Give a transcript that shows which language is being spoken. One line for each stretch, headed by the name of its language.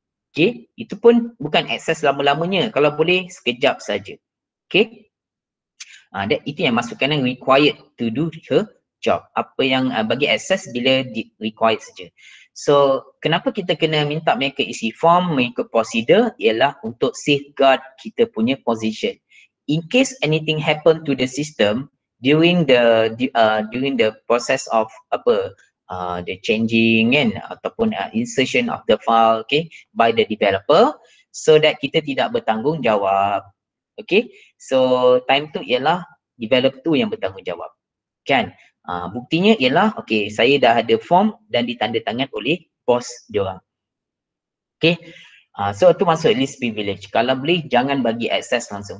Malay: Okay, itu pun bukan access lama-lamanya, kalau boleh sekejap saja. Okay, itu yang masukkan yang
English: required to do her job.
Malay: Apa yang bagi access bila required saja. So, kenapa kita kena minta mereka isi form mengikut prosedur ialah untuk safeguard kita punya position.
English: In case anything happen to the system during the during the process of apa the changing kan ataupun insertion of the file okay by the developer, so that
Malay: kita tidak bertanggungjawab. Okay, so time tu ialah developer tu yang bertanggungjawab kan. Buktinya ialah, okay, saya dah ada form dan ditandatangan oleh boss diorang. Okay, so tu masuk list privilege. Kalau boleh, jangan bagi access langsung.